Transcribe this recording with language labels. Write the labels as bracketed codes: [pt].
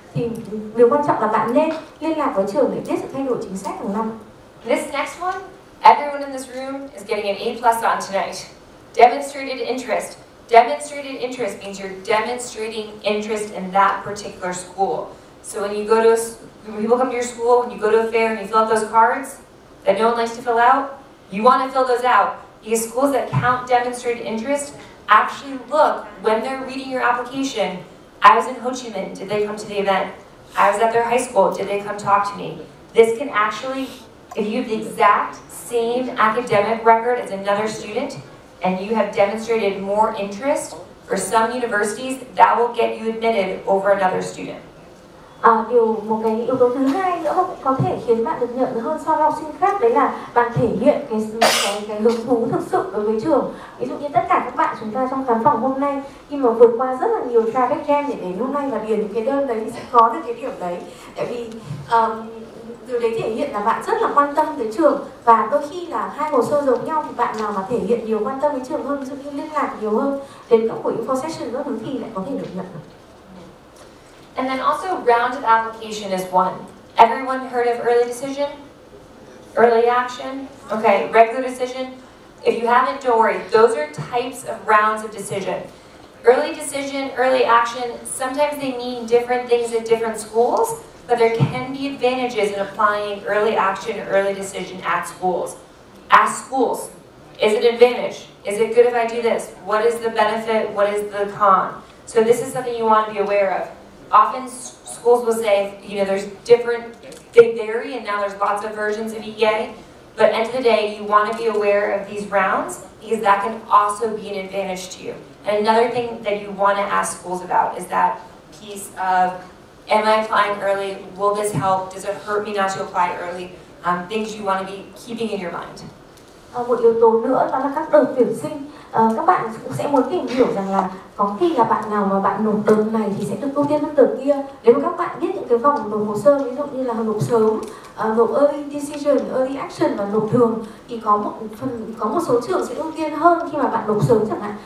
[vi] Thì điều quan trọng là bạn nên liên lạc với trường để biết sự thay đổi chính sách hàng năm. [en] This next one, everyone in this room is getting an A+ on tonight. Demonstrated interest. Demonstrated interest means you're demonstrating interest in that particular school. So when you go to, when people come to your school, when you go to a fair and you fill out those cards that no one likes to fill out, you want to fill those out. Because schools that count demonstrated interest actually look, when they're reading your application, I was in Ho Chi Minh, did they come to the event? I was at their high school, did they come talk to me? This can actually, if you have the exact same academic record as another student and you have demonstrated more interest, for some universities, that will get you admitted over another student. [vi] Một cái yếu tố thứ hai nữa cũng có thể khiến bạn được nhận hơn so với học sinh khác, đấy là bạn thể hiện cái hứng thú thực sự đối với trường. Ví dụ như tất cả các bạn chúng ta trong khán phòng hôm nay, khi mà vượt qua rất là nhiều [en] traffic jam [vi] để đến hôm nay và điền những cái đơn đấy, thì sẽ có được cái điểm đấy. Tại vì điều đấy thể hiện là bạn rất là quan tâm tới trường, và đôi khi là hai hồ sơ giống nhau thì bạn nào mà thể hiện nhiều quan tâm đến trường hơn, ví dụ như liên lạc nhiều hơn đến các buổi info session các thứ, thì lại có thể được nhận. [en] And then also round of application is one. Everyone heard of early decision? Early action? Okay, regular decision? If you haven't, don't worry. Those are types of rounds of decision. Early decision, early action, sometimes they mean different things at different schools, but there can be advantages in applying early action, early decision at schools. Ask schools, is it an advantage? Is it good if I do this? What is the benefit? What is the con? So this is something you want to be aware of. Often schools will say, you know, there's different, they vary, and now there's lots of versions of EA. But end of the day, you want to be aware of these rounds, because that can also be an advantage to you. And another thing that you want to ask schools about is that piece of, am I applying early? Will this help? Does it hurt me not to apply early? Things you want to be keeping in your mind. [vi] Một yếu tố nữa đó là các đợt tuyển sinh. Các bạn cũng sẽ muốn tìm hiểu rằng là có khi là bạn nào mà bạn nộp đợt này thì sẽ được ưu tiên hơn đợt kia. Nếu mà các bạn biết những cái vòng nộp hồ sơ, ví dụ như là nộp sớm, nộp early decision, early action và nộp thường, thì có một số trường sẽ ưu tiên hơn khi mà bạn nộp sớm chẳng hạn.